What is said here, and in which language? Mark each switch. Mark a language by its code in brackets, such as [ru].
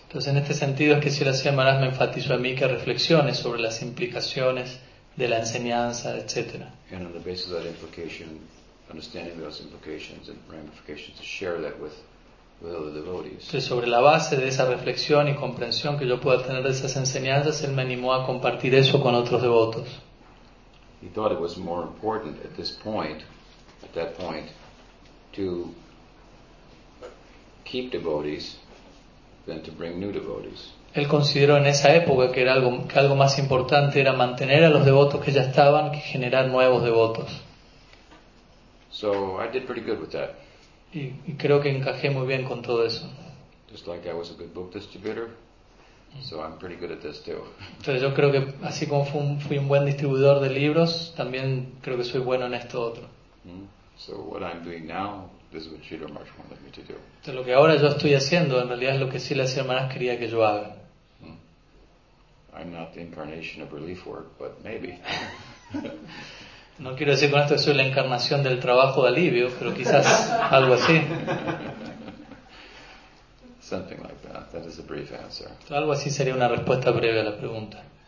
[es] Entonces, en este sentido, es que Sri Sri Maharaj me enfatizó a mí que reflexione sobre las implicaciones de la enseñanza, etc. [en] And on the basis of that implication, understanding those implications and ramifications, to share that with other devotees. [es] Entonces, sobre la base de esa reflexión y comprensión que yo pueda tener de esas enseñanzas, él me animó a compartir eso con otros devotos. [en] He thought it was more important at that point, to keep devotees than to bring new devotees. [es] Él consideró en esa época que era algo más importante era mantener a los devotos que ya estaban que generar nuevos devotos. [en] So I did pretty good with that. [es] Y creo que encajé muy bien con todo eso. [en] Just like I was a good book distributor, so I'm pretty good at this too. [es] Entonces yo creo que así como fui un buen distribuidor de libros, también creo que soy bueno en esto otro. [en] So what I'm doing now, this is what Sridhar Maharaj wanted me to do. [es] Entonces, lo que ahora yo estoy haciendo en realidad es lo que sí las hermanas quería que yo haga. [en] I'm not the incarnation of relief work, but maybe. [es] No quiero decir con esto que soy la encarnación del trabajo de alivio, pero quizás algo así. [en] Something like that. That is a brief answer. [es] Entonces, algo así sería una respuesta breve a la pregunta.